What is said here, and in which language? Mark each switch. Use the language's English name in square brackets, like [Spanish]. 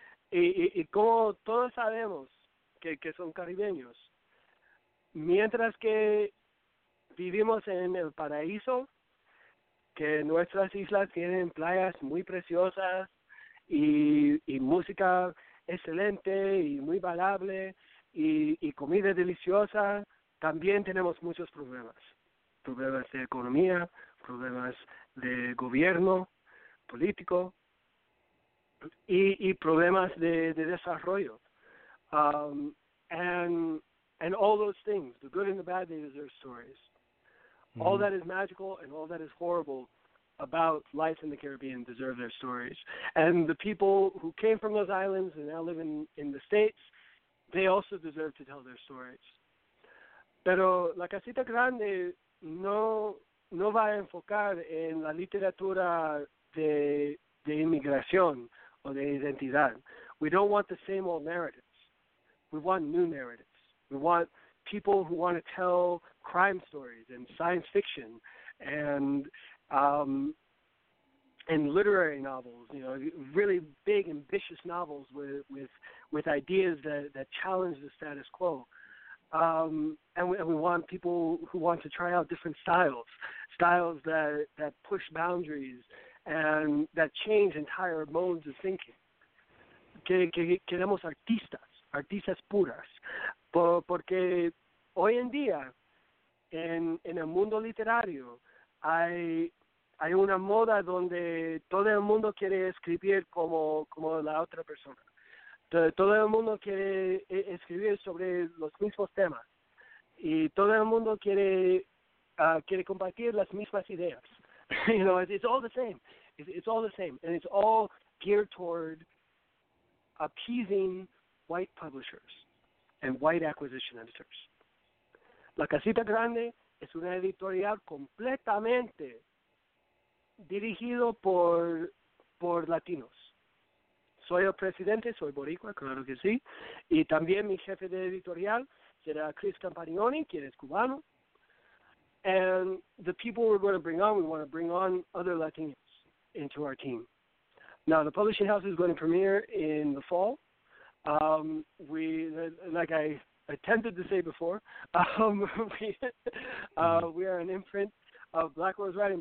[Spanish] Y como todos sabemos que son caribeños, mientras que vivimos en el paraíso, que nuestras islas tienen playas muy preciosas, y música excelente y muy bailable y comida deliciosa, también tenemos muchos problemas. Problemas de economía, problemas de gobierno político y problemas de desarrollo. [English] And all those things, the good and the bad, they deserve stories. Mm-hmm. All that is magical and all that is horrible about life in the Caribbean deserve their stories. And the people who came from those islands and now live in the States, they also deserve to tell their stories. [Spanish] Pero La Casita Grande no va a enfocar en la literatura de inmigración o de identidad. [English] We don't want the same old narratives. We want new narratives. We want people who want to tell crime stories and science fiction and literary novels, you know, really big, ambitious novels with ideas that challenge the status quo. And we want people who want to try out different styles that push boundaries and that change entire modes of thinking. [Spanish] Queremos artistas puras, porque hoy en día en el mundo literario hay una moda donde todo el mundo quiere escribir como la otra persona. Todo el mundo quiere escribir sobre los mismos temas. Y todo el mundo quiere compartir las mismas ideas. [English] You know, it's all the same. It's all the same. And it's all geared toward appeasing white publishers and white acquisition editors. [Spanish] La Casita Grande es una editorial completamente dirigido por latinos. Soy el presidente, soy boricua, claro que sí. Y también mi jefe de editorial será Chris Campagnoni, quien es cubano. [English] And the people we're going to bring on, we want to bring on other Latinos into our team. Now, the publishing house is going to premiere in the fall. We, like I attempted to say before, we are an imprint of Black Rose Writing.